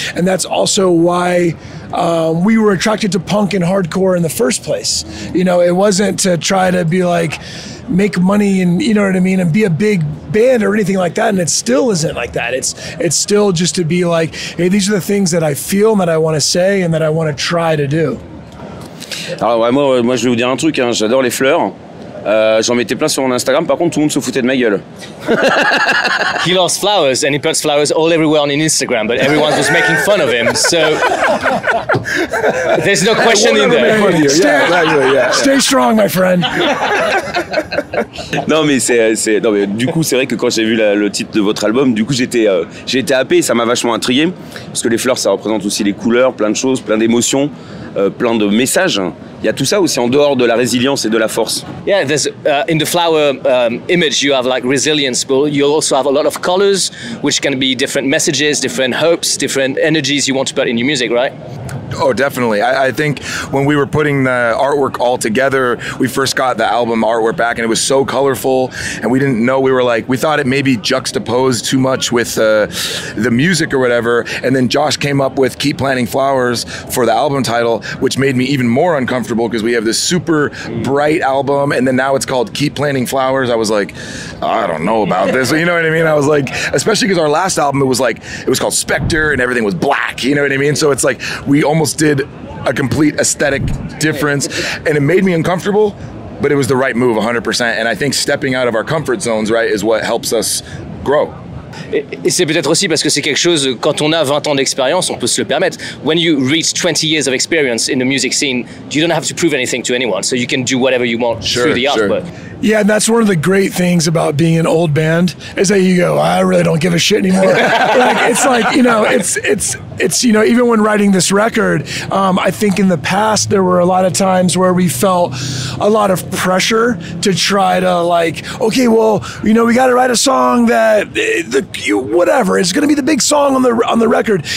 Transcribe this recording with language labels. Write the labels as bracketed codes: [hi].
[en] And that's also why we were attracted to punk and hardcore in the first place. You know, it wasn't to try to be like, make money and, you know what I mean, and be a big band or anything like that. And it still isn't like that. It's still just to be like, hey, these are the things that I feel and that I want to say and that I want to try to do. [fr] Alors ouais, moi je vais vous dire un truc, hein, j'adore les fleurs. J'en mettais plein sur mon Instagram, par contre tout le monde se foutait de ma gueule. [en] He loves flowers and he puts flowers all everywhere on his Instagram, but everyone was making fun of him, so there's no question in there. Stay strong, my friend. [fr] Non mais c'est non mais du coup c'est vrai que quand j'ai vu le titre de votre album, du coup j'ai été happé et ça m'a vachement intrigué parce que les fleurs ça représente aussi les couleurs, plein de choses, plein d'émotions, plein de messages. Il y a tout ça aussi en dehors de la résilience et de la force. [en] Yeah, there's in the flower image you have like resilience, but you also have a lot of colors, which can be different messages, different hopes, different energies you want to put in your music, right? Oh, definitely. I think when we were putting the artwork all together, we first got the album artwork back and it was so colorful and we didn't know, we were like, we thought it maybe juxtaposed too much with the music or whatever. And then Josh came up with Keep Planting Flowers for the album title, which made me even more uncomfortable because we have this super bright album and then now it's called Keep Planting Flowers. I was like, I don't know about this. You know what I mean? I was like, especially because our last album, it was called Spectre and everything was black. You know what I mean? So it's like, we almost did a complete aesthetic difference and it made me uncomfortable, but it was the right move 100%. And I think stepping out of our comfort zones, right, is what helps us grow. [fr] Et c'est peut-être aussi parce que c'est quelque chose, quand on a 20 ans d'expérience, on peut se le permettre. [en] When you reach 20 years of experience in the music scene, you don't have to prove anything to anyone, so you can do whatever you want through the art. But yeah, and that's one of the great things about being an old band, is that you go, I really don't give a shit anymore. Like, it's like, you know, it's you know, even when writing this record, I think in the past there were a lot of times where we felt a lot of pressure to try to like, okay, well, you know, we got to write a song that it's going to be the big song on the record.